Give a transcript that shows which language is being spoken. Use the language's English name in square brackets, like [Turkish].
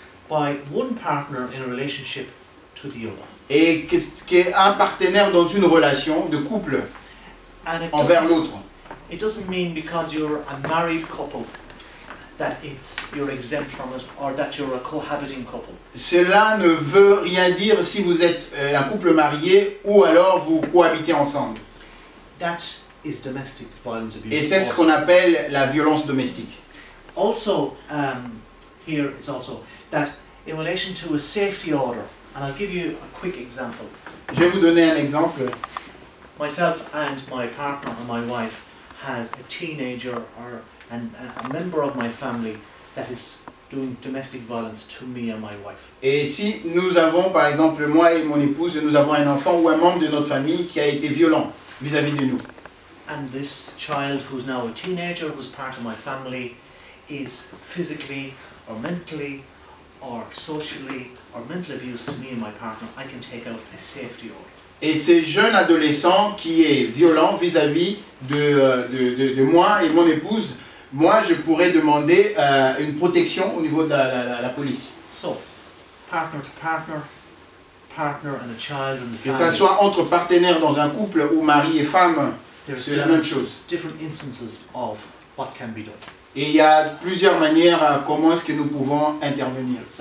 [English] By one partner in a relationship to the other. [French] Et qu'est un partenaire dans une relation de couple envers l'autre. [English] It doesn't mean because you're a married couple that it's you're exempt from it or that you're a cohabiting couple. [French] Cela ne veut rien dire si vous êtes un couple marié ou alors vous cohabitez ensemble. [English] That is domestic violence abuse. [French] Et c'est ce qu'on appelle la violence domestique. [English] Also, here is also that in relation to a safety order, and I'll give you a quick example. [French] Je vais vous donner un exemple. [English] Myself and my partner and my wife has a teenager or a member of my family that is doing domestic violence to me and my wife. [French] Et si nous avons, par exemple, moi et mon épouse, nous avons un enfant ou un membre de notre famille qui a été violent vis-à-vis de nous. [English] And this child, who's now a teenager, who's part of my family, is physically or mentally or socially or mental abuse to me and my partner. I can take out a safety order. [French] Et ce jeune adolescent qui est violent vis-à-vis de moi et mon épouse. Moi, je pourrais demander une protection au niveau de la police. [English] So, partner to partner, partner and a child and the family. [French] Que ça soit entre partenaires dans un couple ou mari et femme, c'est la même chose. [English] Different instances of what can be done. [French] Et il y a plusieurs manières comment est-ce que nous pouvons intervenir.